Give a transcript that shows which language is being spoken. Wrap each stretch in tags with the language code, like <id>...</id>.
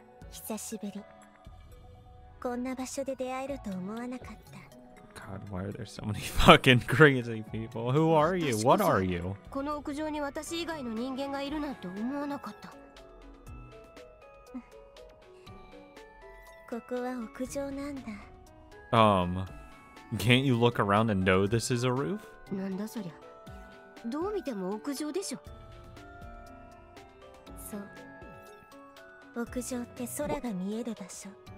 <ja>久しぶり。こんな場所で出会えると思わなかった。</ja> <en>God, why are there so many fucking crazy people? Who are you? What are you?</en> <ja>この屋上に私以外の人間がいるなんて思わなかった。ここは屋上なんだ。</ja> <en>Can't you look around and know this is a roof?</en> <ja>なんだそりゃ。どう見ても屋上でしょ。そう。屋上って空が見える場所。</ja>